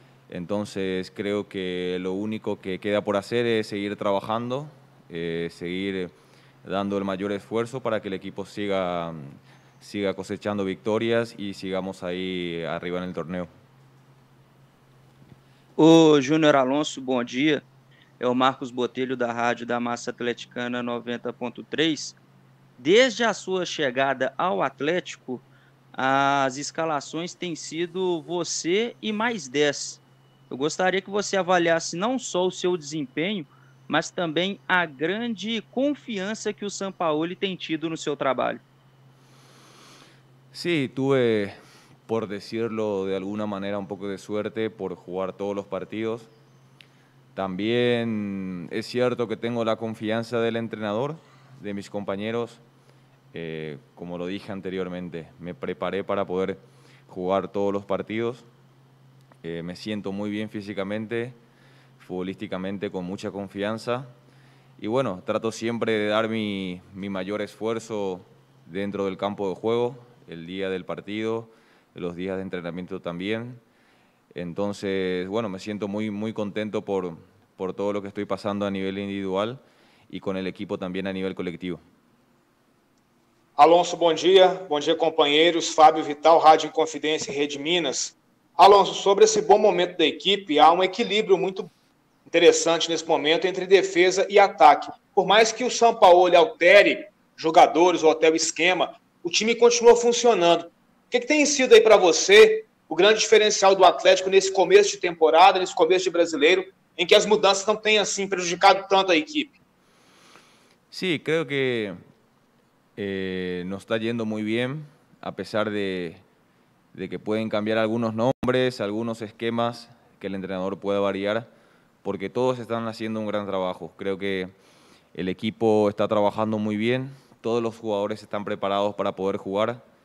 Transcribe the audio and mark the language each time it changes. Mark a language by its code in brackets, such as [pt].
[es] Entonces creo que lo único que queda por hacer es seguir trabajando, seguir dando el mayor esfuerzo para que el equipo siga cosechando victorias y sigamos ahí arriba en el torneo. [pt] Ô, Júnior Alonso, bom dia. É o Marcos Botelho da Rádio da Massa Atleticana 90.3. Desde a sua chegada ao Atlético, as escalações têm sido você e mais 10. Eu gostaria que você avaliasse não só o seu desempenho, mas também a grande confiança que o Sampaoli tem tido no seu trabalho. [es] Sí, tuve, por decirlo de alguna manera, un poco de suerte por jugar todos los partidos. También es cierto que tengo la confianza del entrenador, de mis compañeros. Como lo dije anteriormente, me preparé para poder jugar todos los partidos. Me siento muy bien físicamente, futbolísticamente, con mucha confianza. Y bueno, trato siempre de dar mi mayor esfuerzo dentro del campo de juego, el día del partido, los días de entrenamiento también. Entonces, bueno, me siento muy, muy contento por todo lo que estoy pasando a nivel individual y con el equipo también a nivel colectivo. [pt] Alonso, bom dia companheiros, Fábio Vital, Rádio Inconfidência, Rede Minas. Alonso, sobre esse bom momento da equipe, há um equilíbrio muito interessante nesse momento entre defesa e ataque. Por mais que o Sampaoli altere jogadores ou até o esquema, o time continua funcionando. O que tem sido aí para você o grande diferencial do Atlético nesse começo de temporada, nesse começo de brasileiro, em que as mudanças não têm assim prejudicado tanto a equipe? [es] Sí, creo que nos está yendo muy bien, a pesar de que pueden cambiar algunos nombres, algunos esquemas que el entrenador pueda variar, porque todos están haciendo un gran trabajo. Creo que el equipo está trabajando muy bien, todos los jugadores están preparados para poder jugar.